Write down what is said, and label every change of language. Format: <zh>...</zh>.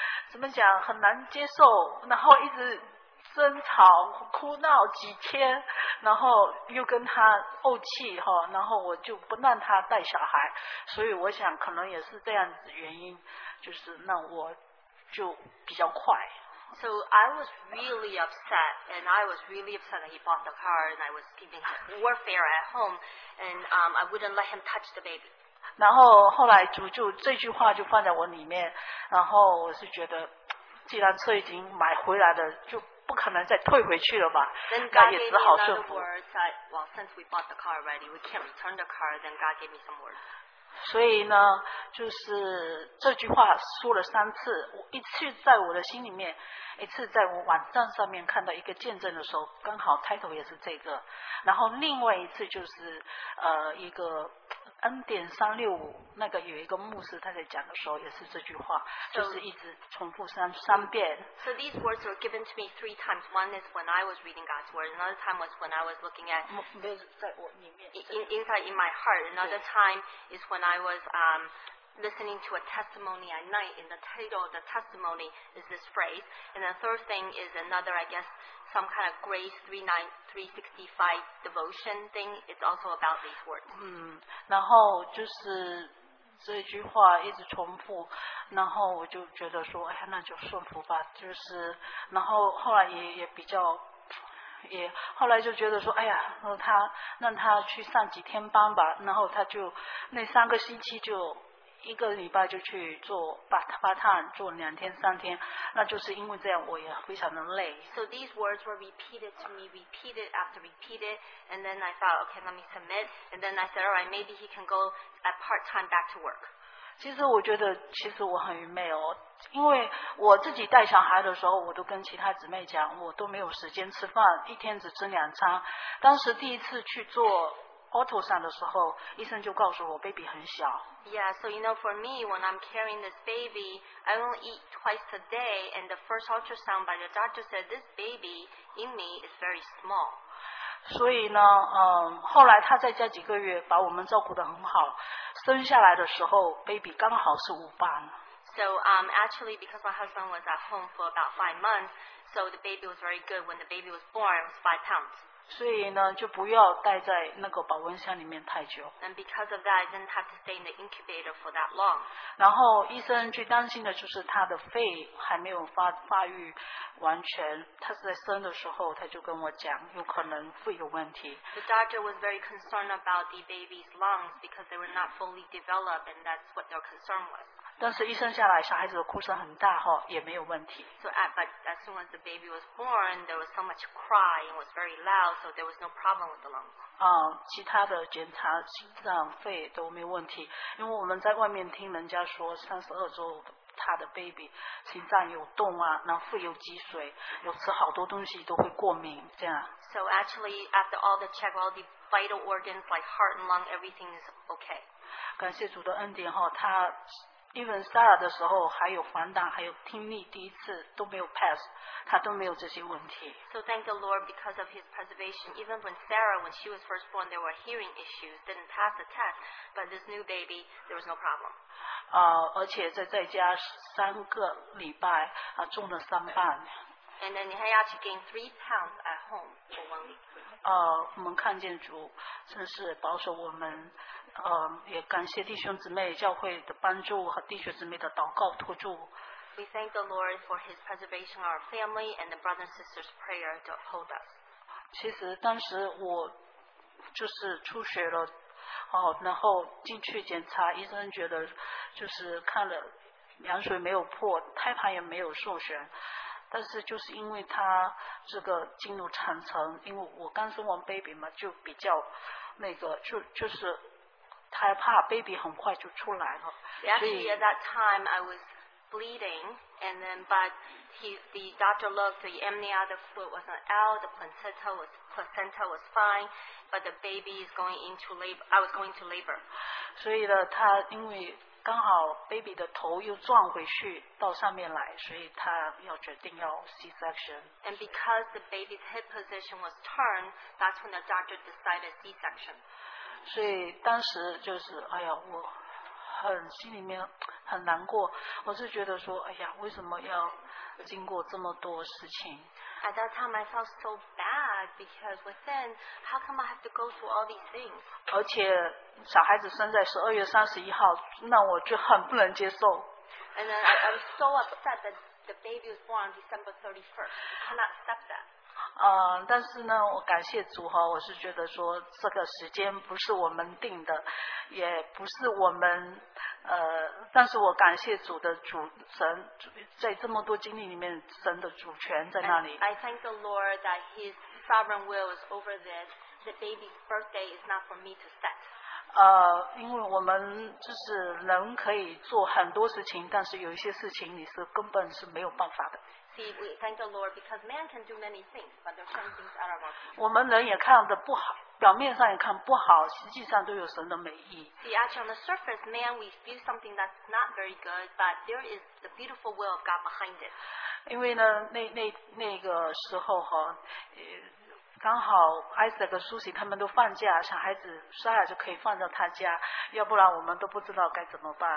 <zh>怎么讲很难接受，然后一直争吵哭闹几天，然后又跟他怄气哈，然后我就不让他带小孩，所以我想可能也是这样子原因，就是那我就比较快。</zh> <en>So I was really upset, and I was really upset that he bought the car, and I was giving him warfare at home, and I wouldn't let him touch the baby.</en> <zh>然后后来主就这句话就放在我里面，然后我是觉得，既然车已经买回来了，就不可能再退回去了吧，那也只好顺服。</zh> <en>Well, since we bought the car already, we can't return the car. Then God gave me some words.</en> <zh>所以呢，就是这句话说了三次，一次在我的心里面，一次在我网站上面看到一个见证的时候，刚好 title 也是这个，然后另外一次就是一个。 N.365 那个有一个牧师他在讲的时候也是这句话</zh> <en>so,</en> <zh>就是一直重复三遍</zh> <en>So these words were given to me three times. One is when I was reading God's word. Another time was when I was looking at inside in my heart. Another time is when I was listening to a testimony at night. And the title of the testimony is this phrase. And the third thing is another, I guess, some kind of grace 365 devotion thing. It's also about these words.</en> <zh>然后就是这句话一直重复，然后我就觉得说，哎呀，那就顺服吧。就是，然后后来也比较，也后来就觉得说，哎呀，让他去上几天班吧。然后他就那三个星期就。一个礼拜就去做 part-time 做两天三天，那就是因为这样我也非常的累。</zh> <en>So these words were repeated to me, repeated after repeated, and then I thought, okay, let me submit. And then I said, all right, maybe he can go at part-time back to work.</en> <zh>其实我觉得，其实我很愚昧哦，因为我自己带小孩的时候，我都跟其他姊妹讲，我都没有时间吃饭，一天只吃两餐。当时第一次去做 ultrasound 的时候，医生就告诉我 baby 很小。</zh> <en>Yeah, so you know, for me, when I'm carrying this baby, I only eat twice a day, and the first ultrasound by the doctor said this baby in me is very small.</en> <zh>所以呢，后来他在家几个月把我们照顾得很好，生下来的时候 baby 刚好是五磅。</zh> <en>So actually because my husband was at home for about 5 months, so the baby was very good. When the baby was born, it was 5 pounds.</en> <zh>所以呢，就不要待在那个保温箱里面太久。</zh> <en>And because of that, I didn't have to stay in the incubator for that long.</en> <zh>然后医生最担心的就是他的肺还没有发育完全，他是在生的时候他就跟我讲有可能肺有问题。</zh> <en>The doctor was very concerned about the baby's lungs because they were not fully developed, and that's what their concern was.</en> <zh>但是一生下来小孩子的哭声很大齁，也没有问题。</zh> <en>So, but as soon as the baby was born, there was so much cry, it was very loud, so there was no problem with the lungs.</en> <zh>其他的检查心脏肺都没问题，因为我们在外面听人家说32周他的 baby 心脏有动啊，然后肺有积水，有吃好多东西都会过敏这样。</zh> <en>So actually, after all the check, all the vital organs like heart and lung, everything is okay.</en> <zh>感谢主的恩典齁，他even Sarah 的时候还有黄疸还有听力第一次都没有 pass， 她都没有这些问题。</zh> <en>So thank the Lord because of his preservation. Even when Sarah, when she was first born, there were hearing issues, didn't pass the test, but this new baby, there was no problem.</en> <zh>而且在家三个礼拜啊重了三磅。</zh> <en>And then he had to gain 3 pounds at home for 1 week.</en> <zh>我们看见主真是保守我们，也感谢弟兄姊妹教会的帮助和弟兄姊妹的祷告托住。</zh> <en>We thank the Lord for His preservation of our family and the brothers and sisters' prayer to uphold us.</en> <zh>其实当时我就是出血了，然后进去检查，医生觉得就是看了羊水没有破，胎盘也没有受损。但是就是因为他这个进入产程，因为我刚生完 baby 嘛，就比较那个，就是他怕 baby 很快就出来了。</zh> <en>Actually, at that time I was bleeding, and then but the doctor looked, the amniotic fluid was not out, the placenta was fine, but the baby is going into labor. I was going to labor.</en> <zh>所以呢，他因为刚好 baby 的头又撞回去到上面来，所以他要决定要 C-section.</zh> <en>And because the baby's hip position was turned, that's when the doctor decided C-section.</en> <zh>所以当时就是哎呀，我很心里面很难过，我是觉得说哎呀，为什么要经过这么多事情。</zh> <en>At that time, I felt so bad because within, how come I have to go through all these things?</en> <zh>而且小孩子生在12月31号，那我就很不能接受。</zh> <en>And then I was so upset that the baby was born on December 31st. I cannot accept that.</en> <zh>但是呢，我感谢主哈，我是觉得说这个时间不是我们定的，也不是我们但是我感谢主的主神，在这么多经历里面，神的主权在那里。</zh> <en>And、I thank the Lord that His sovereign will is over this. The baby's birthday is not for me to set.</en> <zh>因为我们就是人可以做很多事情，但是有一些事情你是根本是没有办法的。</zh> <en>See, we thank the Lord because man can do many things, but there are some things out of our control.</en> <zh>我们人也看得不好，表面上也看不好，实际上都有神的美意。</zh> <en>See, actually on the surface, man, we view something that's not very good, but there is the beautiful will of God behind it.</en> <zh>因为呢，那个时候哈，刚好 Isaac 和 Susie 他们都放假，小孩子 Sarah 就可以放到他家，要不然我们都不知道该怎么办。</zh>